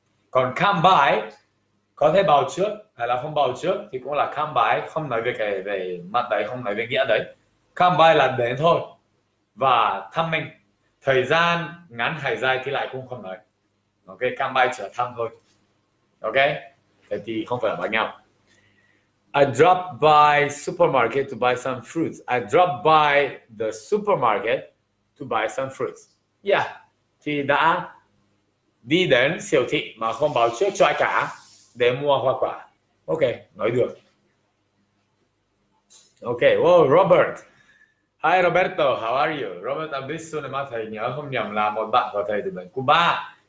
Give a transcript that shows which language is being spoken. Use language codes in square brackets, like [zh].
[vi] Còn come by có thể bảo trước hay là không bảo trước, thì cũng là come by, không nói về cái về mặt đấy, không nói về nghĩa đấy. Come by là đến thôi, và thăm mình thời gian ngắn hay dài thì lại cũng không nói. Ok, come by chỉ là thăm thôi. Ok, thế thì không phải là bằng nhau. [en] I dropped by supermarket to buy some fruits. I dropped by the supermarket to buy some fruits. [vi] Yeah, thì đã đi đến siêu thị mà không báo trước cho ai cả để mua hoa quả. Ok, nói được. [en] Ok, wow, Robert. Hi Roberto, how are you? [vi] Robert, I'm biết soon mà thầy nhớ không nhầm là một bạn của thầy từ bên Cuba.